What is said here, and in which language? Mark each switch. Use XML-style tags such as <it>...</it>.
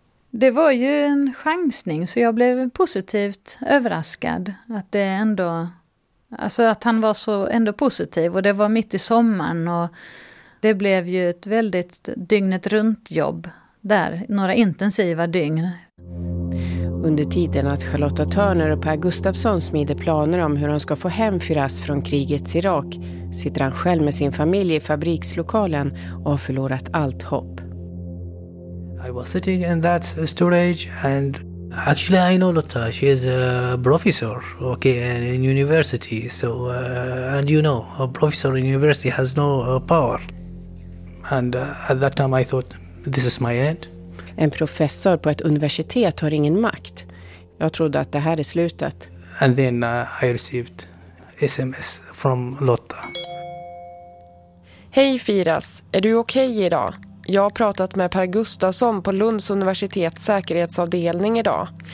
<sv>Det var ju en chansning så jag blev positivt överraskad att det ändå, alltså att han var så ändå positiv och det var mitt i sommaren och det blev ju ett väldigt dygnet runt jobb där, några intensiva dygn. Under tiden att Charlotta Törner och Per Gustafsson smider planer om hur de ska få hem Firas från krigets Irak sitter han själv med sin familj i fabrikslokalen och har förlorat allt hopp.</sv> <en>I was sitting in that storage and actually I know Lotta, she is a professor, okay, in university, so and you know, a professor in university has no power. And at that time I thought, this is my end.</en> <sv>En professor på ett universitet har ingen makt. Jag trodde att det här är slutet.</sv> <en>And then I received SMS from Lotta.</en> <sv>Hej Firas, är du okej idag? Jag har pratat med Per Gustafsson på Lunds universitets säkerhetsavdelning idag.</sv>